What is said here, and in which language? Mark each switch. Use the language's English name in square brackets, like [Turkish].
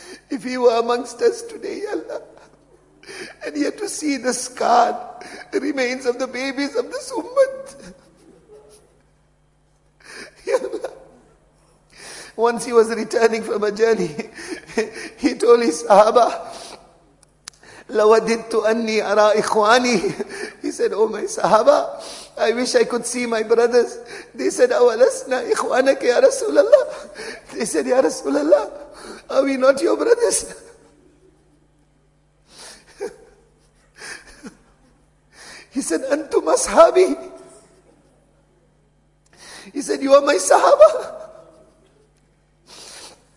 [English] If he were amongst us today, Ya Allah, and he had to see the scar, the remains of the babies of this ummah, Ya Allah. Once he was returning from a journey, he told his sahaba, [Arabic] لَوَدِدْتُ أَنِّي أَرَى إِخْوَانِي. [English] He said, oh my sahaba, I wish I could see my brothers. They said, [Arabic] أَوَلَسْنَا إِخْوَانَكَ يَا رَسُولَ اللَّهِ. [English] They said, [Arabic] يَا رَسُولَ اللَّهِ, [English] are we not your brothers? He said, [Arabic] أَنْتُمْ أَصْحَابِي. [English] He said, you are my sahaba.